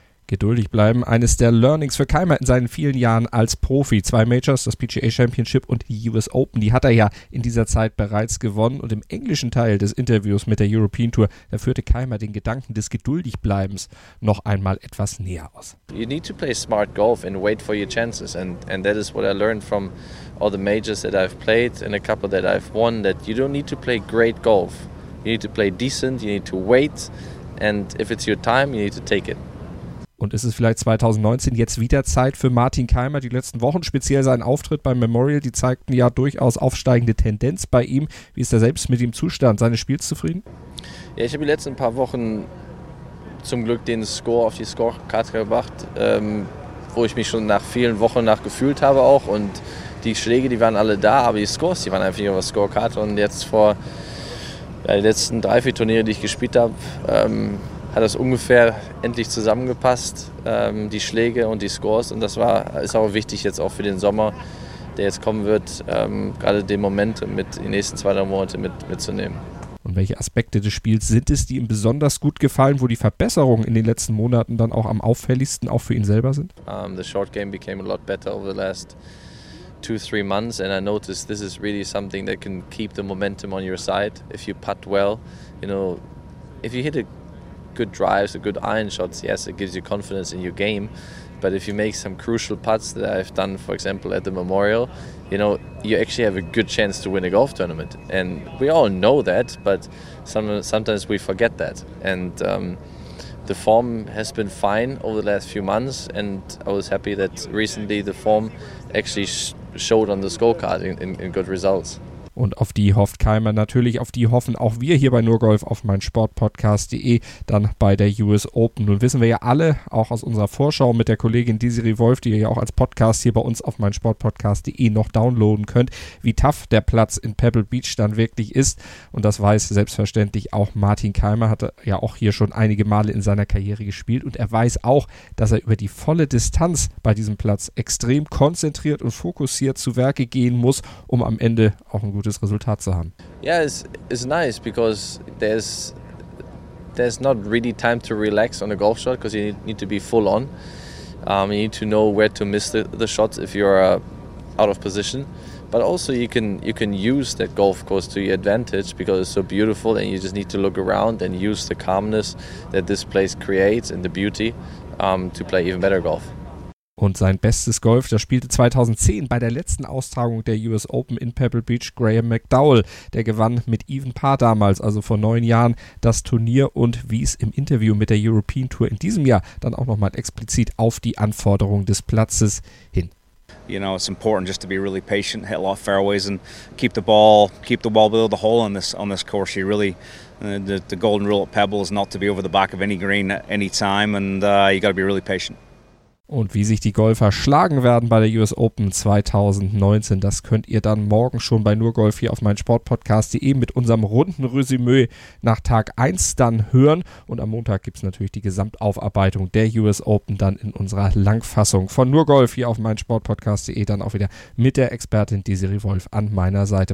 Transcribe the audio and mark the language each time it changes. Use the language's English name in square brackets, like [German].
[German] Geduldig bleiben, eines der Learnings für Kaymer in seinen vielen Jahren als Profi. Zwei Majors, das PGA Championship und die US Open, die hat er ja in dieser Zeit bereits gewonnen. Und im englischen Teil des Interviews mit der European Tour, da führte Kaymer den Gedanken des Geduldigbleibens noch einmal etwas näher aus. [English] You need to play smart golf and wait for your chances. And that is what I learned from all the majors that I've played and a couple that I've won, that you don't need to play great golf. You need to play decent, you need to wait. And if it's your time, you need to take it. [German] Und ist es vielleicht 2019 jetzt wieder Zeit für Martin Kaymer? Die letzten Wochen, speziell sein Auftritt beim Memorial, die zeigten ja durchaus aufsteigende Tendenz bei ihm. Wie ist er selbst mit dem Zustand seines Spiels zufrieden? Ja, ich habe die letzten paar Wochen zum Glück den Score auf die Scorekarte gebracht, wo ich mich schon nach vielen Wochen nach gefühlt habe auch. Und die Schläge, die waren alle da, aber die Scores, die waren einfach nicht auf der Scorekarte. Und jetzt vor den letzten 3-4 Turniere, die ich gespielt habe, hat das ungefähr endlich zusammengepasst, die Schläge und die Scores. Und das ist auch wichtig jetzt auch für den Sommer, der jetzt kommen wird, gerade den Moment mit den nächsten 2-3 Monate mitzunehmen. Und welche Aspekte des Spiels sind es, die ihm besonders gut gefallen, wo die Verbesserungen in den letzten Monaten dann auch am auffälligsten auch für ihn selber sind? [English] The short game became a lot better over the last 2-3 months. And I noticed this is really something that can keep the momentum on your side. If you putt well, you know, if you hit a good drives, a good iron shots, yes, it gives you confidence in your game. But if you make some crucial putts that I've done, for example, at the Memorial, you know, you actually have a good chance to win a golf tournament. And we all know that, but sometimes we forget that. And the form has been fine over the last few months, and I was happy that recently the form actually showed on the scorecard in good results. [German] Und auf die hofft Kaymer natürlich, auf die hoffen auch wir hier bei Nurgolf auf meinsportpodcast.de, dann bei der US Open. Nun wissen wir ja alle, auch aus unserer Vorschau mit der Kollegin Desiree Wolf, die ihr ja auch als Podcast hier bei uns auf meinsportpodcast.de noch downloaden könnt, wie tough der Platz in Pebble Beach dann wirklich ist. Und das weiß selbstverständlich auch Martin Kaymer, hat ja auch hier schon einige Male in seiner Karriere gespielt. Und er weiß auch, dass er über die volle Distanz bei diesem Platz extrem konzentriert und fokussiert zu Werke gehen muss, um am Ende auch ein gutes Resultat zu haben. [English] Yeah, it's nice because there's not really time to relax on a golf shot because you need to be full on. You need to know where to miss the shots if you are out of position. But also you can use that golf course to your advantage because it's so beautiful and you just need to look around and use the calmness that this place creates and the beauty to play even better golf. [German] Und sein bestes Golf, das spielte 2010 bei der letzten Austragung der US Open in Pebble Beach, Graham McDowell. Der gewann mit Even Par damals, also vor 9 Jahren, das Turnier und wies im Interview mit der European Tour in diesem Jahr dann auch nochmal explizit auf die Anforderungen des Platzes hin. [English] You know, it's important just to be really patient, hit a lot of fairways and keep the ball below the hole on this course. You really, the golden rule at Pebble is not to be over the back of any green at any time and you got to be really patient. [German] Und wie sich die Golfer schlagen werden bei der US Open 2019, das könnt ihr dann morgen schon bei Nur Golf hier auf meinsportpodcast.de mit unserem runden Resümee nach Tag 1 dann hören. Und am Montag gibt es natürlich die Gesamtaufarbeitung der US Open dann in unserer Langfassung von Nur Golf hier auf meinsportpodcast.de dann auch wieder mit der Expertin Desiree Wolf an meiner Seite.